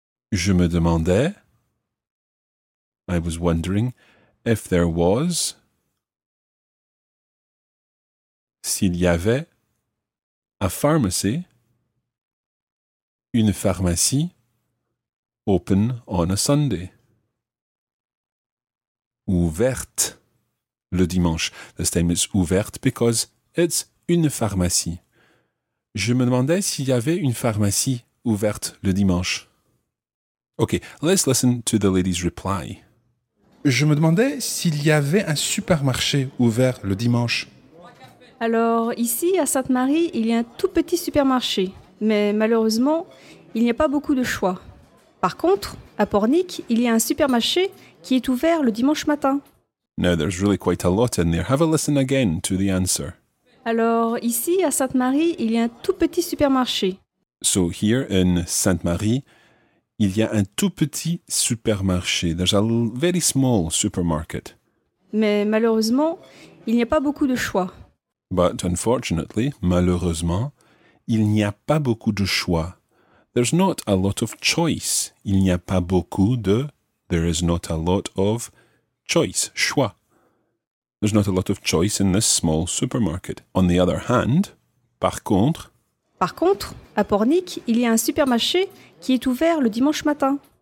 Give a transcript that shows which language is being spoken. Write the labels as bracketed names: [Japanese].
[French] Je me demandais, [English] I was wondering, if there was, [French] s'il y avait, [English] a pharmacy, [French] une pharmacie, [English] open on a Sunday, [French] ouverte le dimanche. [English] This time it's ouverte because it's [French] une pharmacie. Je me demandais s'il y avait une pharmacie ouverte le dimanche. [English] Okay, let's listen to the lady's reply. [French] Je me demandais s'il y avait un supermarché ouvert le dimanche. Alors, ici, à Sainte-Marie, il y a un tout petit supermarché. Mais malheureusement, il n'y a pas beaucoup de choix. Par contre, à Pornic, il y a un supermarché qui est ouvert le dimanche matin. [English] Now, there's really quite a lot in there. Have a listen again to the answer. [French] Alors, ici, à Sainte-Marie, il y a un tout petit supermarché. [English] So, here in Sainte-Marie, [French] il y a un tout petit supermarché. [English] There's a very small supermarket. [French] Mais malheureusement, il n'y a pas beaucoup de choix. [English] But unfortunately, [French] malheureusement, il n'y a pas beaucoup de choix. [English] There's not a lot of choice. [French] Il n'y a pas beaucoup de... [English] There is not a lot of choice. Choix. There's not a lot of choice in this small supermarket. On the other hand, [French] par contre... Par contre, à Pornic, il y a un supermarché qui est ouvert le dimanche matin.